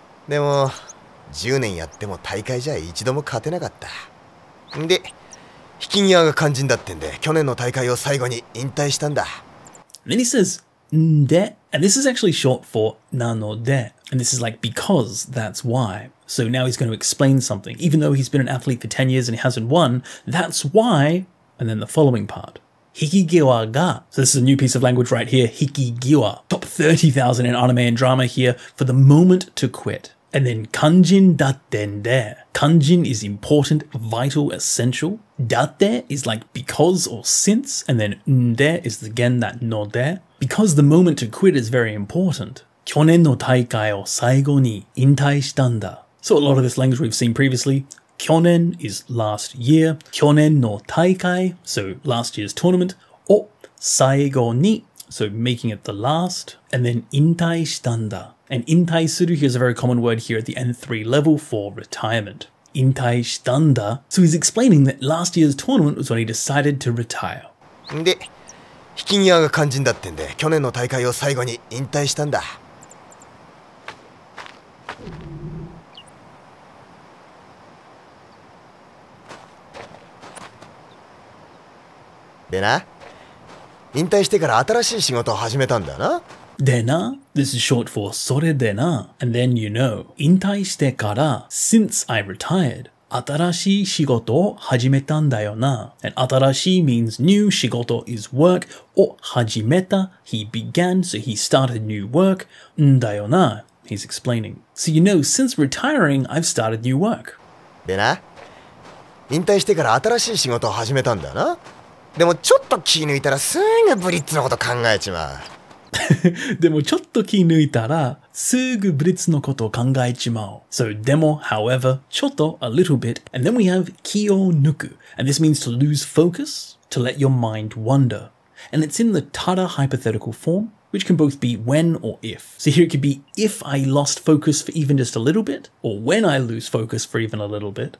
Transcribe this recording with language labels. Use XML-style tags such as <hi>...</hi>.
<ja>Demo, 10年やっても大会じゃ一度も勝てなかった。んで、引き際が肝心だってんで、去年の大会を最後に引退したんだ。</ja> <en>Then he says,</en> <ja>んで、</ja> <en>And this is actually short for</en> <ja>なので.</ja> <en>And this is like because, that's why. So now he's going to explain something. Even though he's been an athlete for 10 years and he hasn't won, that's why. And then the following part.</en> <ja>Hikigiwa ga.</ja> <en>So this is a new piece of language right here. Hikigiwa. Top 30,000 in anime and drama here. For the moment to quit. And then</en> <ja>kanjin dattende.</ja> <en>Kanjin is important, vital, essential. Datte is like because or since. And then nde is again that node. Because the moment to quit is very important.</en> <ja>去年の大会を最後に引退したんだ。</ja> <en>So a lot of this language we've seen previously. 去年 is last year.</en> <ja>去年の大会,</ja> <en>so last year's tournament.</en> <ja>お最後に,</ja> <en>so making it the last. And then</en> <ja>引退したんだ.</ja> <en>And 引退する, here's a very common word here at the N3 level for retirement.</en> <ja>引退したんだ.</ja> <en>So he's explaining that last year's tournament was when he decided to retire.</en> <ja>で引き際が肝心だってんで、去年の大会を最後に引退したんだ。でな、引退してから新しい仕事を始めたんだな。でな、</ja> <en>This is short for</en> <ja>それでな。</ja> <en>And then you know,</en> <ja>引退してから、</ja> <en>since I retired.</en> <ja>新しい仕事を始めたんだよな。</ja> <en>And 新しい means new, 仕事 is work,</en> <ja>を始めた、</ja> <en>he began, so he started new work,</en> <ja>んだよな。</ja> <en>He's explaining. So you know, since retiring, I've started new work.</en> <ja>でな、引退してから新しい仕事を始めたんだよな。でもちょっと気抜いたらすぐブリッツのこと考えちまう。でもちょっと気抜いたらすぐブリッツのことを考えちまう。</ja> <en>So,</en> <ja>でも、</ja> <en>however,</en> <ja>ちょっと、</ja> <en>a little bit, and then we have</en> <ja>気を抜く.</ja> <en>And this means to lose focus, to let your mind wander. And it's in the tada hypothetical form, which can both be when or if. So here it could be if I lost focus for even just a little bit, or when I lose focus for even a little bit.</en>